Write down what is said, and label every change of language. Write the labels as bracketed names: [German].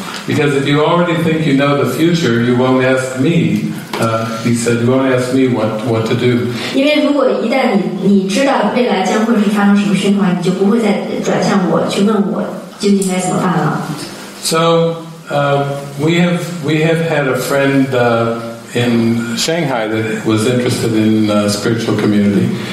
[English] Because if you already think you know the future, you won't ask me. He said, you won't ask me what to do. [Chinese] 因为如果一旦你知道未来将会是发生什么事情的话，你就不会再转向我去问我究竟该怎么办了。 [English] So we have had a friend. In Shanghai, that was interested in spiritual community.